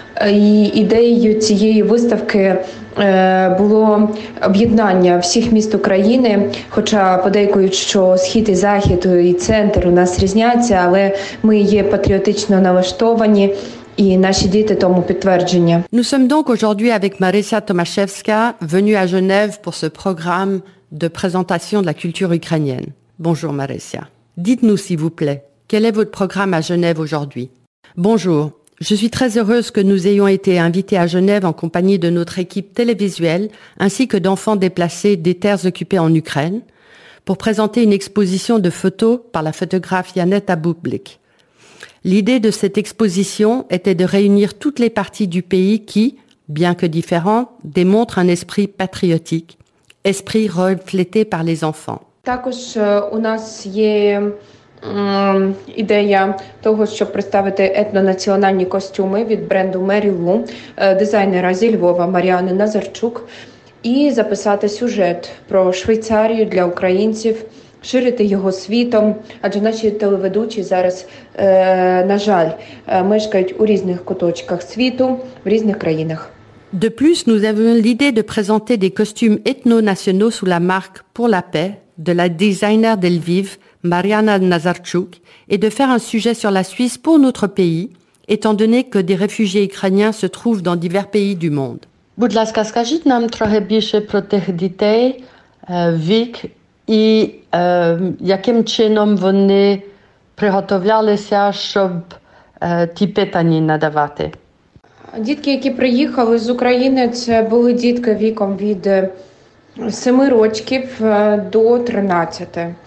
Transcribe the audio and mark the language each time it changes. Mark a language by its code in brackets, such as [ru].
[uk] І ідеєю цієї виставки було об'єднання всіх міст України, хоча подейкують, що схід і захід і центр у нас різняться, але ми є патріотично налаштовані, і наші діти тому підтвердження. [fr] Nous sommes donc aujourd'hui avec Marisa Tomaszewska, venue à Genève pour ce programme de présentation de la culture ukrainienne. Bonjour Marisa. Dites-nous s'il vous plaît, quel est votre programme à Genève aujourd'hui? Bonjour, je suis très heureuse que nous ayons été invités à Genève en compagnie de notre équipe télévisuelle ainsi que d'enfants déplacés des terres occupées en Ukraine pour présenter une exposition de photos par la photographe Janeta Bublik. L'idée de cette exposition était de réunir toutes les parties du pays qui, bien que différentes, démontrent un esprit patriotique, esprit reflété par les enfants. [uk] Також у нас є ідея того, щоб представити етнонаціональні костюми від бренду Mary Lou, дизайнера зі Львова Маріани Назарчук, і записати сюжет про Швейцарію для українців, ширити його світом, адже наші телеведучі зараз, на жаль, мешкають у різних куточках світу, в різних країнах. [fr] De plus, nous avons l'idée de présenter des costumes ethno-nationaux sous la marque Pour la paix de la designer de Lviv, Mariana Nazarchuk, et de faire un sujet sur la Suisse pour notre pays, étant donné que des réfugiés ukrainiens se trouvent dans divers pays du monde. [uk] Будь ласка, скажіть нам трохи більше про тих дітей, вік і яким чином вони приготовлялися, щоб ті питання надавати. Дітки, які приїхали з України, це були дітки віком від 7 рочків до 13.